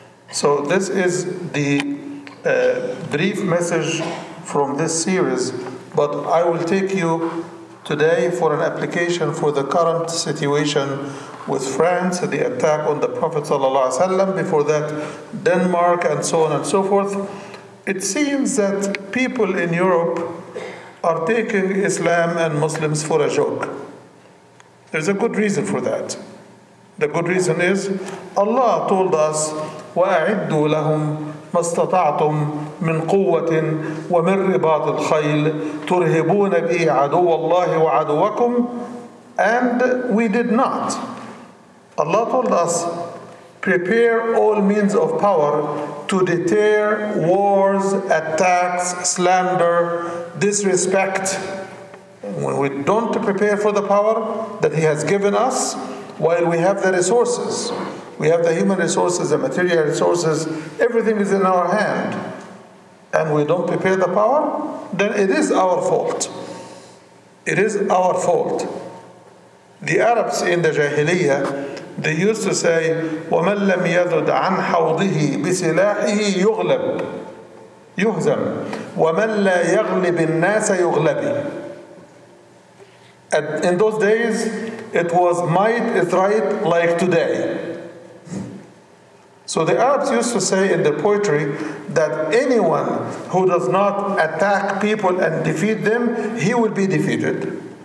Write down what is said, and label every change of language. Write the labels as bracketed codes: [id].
[en] So this is the brief message from this series, but I will take you today for an application for the current situation with France, the attack on the Prophet sallallahu alaihi wasallam, before that Denmark and so on and so forth. It seems that people in Europe are taking Islam and Muslims for a joke. There's a good reason for that. The good reason is Allah told us [ar] وَأَعِدُّوا لَهُمْ مَا اسْتَطَعْتُمْ مِنْ قُوَّةٍ وَمِنْ رِبَاطِ الْخَيْلِ تُرْهِبُونَ بِهِ عَدُوَ اللَّهِ وَعَدُوَكُمْ. [en] And we did not. Allah told us, prepare all means of power to deter wars, attacks, slander, disrespect. When we don't prepare for the power that He has given us, while we have the resources, we have the human resources, the material resources, everything is in our hand, and we don't prepare the power, then it is our fault. It is our fault. The Arabs in the Jahiliyyah, they used to say, [ar] وَمَنْ لَمْ يَذُدْ عَنْ حَوْضِهِ بِسِلَاحِهِ يُغْلَبْ يُهْزَمْ وَمَنْ لَا يَغْلِبِ النَّاسَ يُغْلَبِ. [en] In those days, it was might is right, like today. So the Arabs used to say in their poetry that anyone who does not attack people and defeat them, he will be defeated.